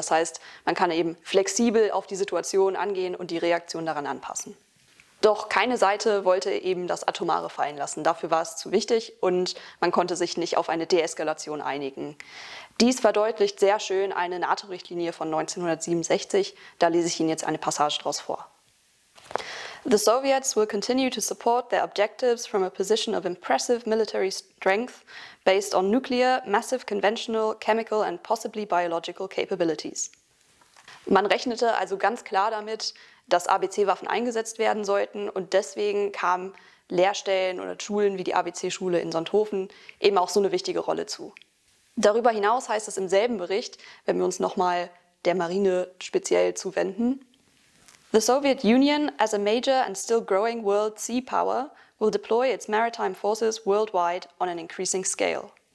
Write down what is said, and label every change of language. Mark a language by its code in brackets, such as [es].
[de] Das heißt, man kann eben flexibel auf die Situation angehen und die Reaktion daran anpassen. Doch keine Seite wollte eben das Atomare fallen lassen. Dafür war es zu wichtig und man konnte sich nicht auf eine Deeskalation einigen. Dies verdeutlicht sehr schön eine NATO-Richtlinie von 1967. Da lese ich Ihnen jetzt eine Passage daraus vor. [en] The Soviets will continue to support their objectives from a position of impressive military strength based on nuclear, massive conventional, chemical and possibly biological capabilities. [de] Man rechnete also ganz klar damit, dass ABC-Waffen eingesetzt werden sollten und deswegen kamen Lehrstellen oder Schulen wie die ABC-Schule in Sonthofen eben auch so eine wichtige Rolle zu. Darüber hinaus heißt es im selben Bericht, wenn wir uns nochmal der Marine speziell zuwenden, [en] The Soviet Union, as a major and still growing world sea power, will deploy its maritime forces worldwide on an increasing scale.